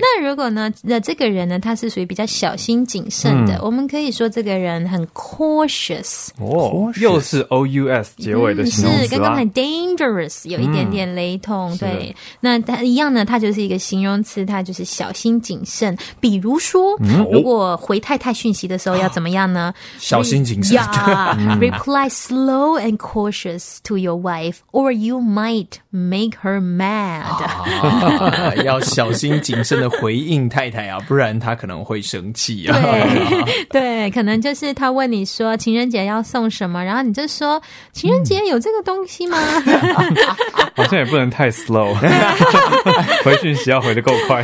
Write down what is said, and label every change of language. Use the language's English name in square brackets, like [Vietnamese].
[Chinese] 那如果呢这个人呢他是属于比较小心谨慎的、嗯、我们可以说这个人很 cautious、哦、又是 O-U-S 结尾的形容词、嗯、是跟刚才 dangerous 有一点点雷同、嗯、对，那他一样呢，他就是一个形容词，他就是小心谨慎，比如说、嗯、如果回太太讯息的时候要怎么样呢、啊、小心谨慎 [English] yeah, reply slow and cautious to your wife or you might make her mad、 [Chinese] 啊、要小心谨慎的回应太太啊，不然她可能会生气啊。对对，可能就是她问你说情人节要送什么，然后你就说情人节有这个东西吗、嗯、好像也不能太 slow 回讯息要回得够快，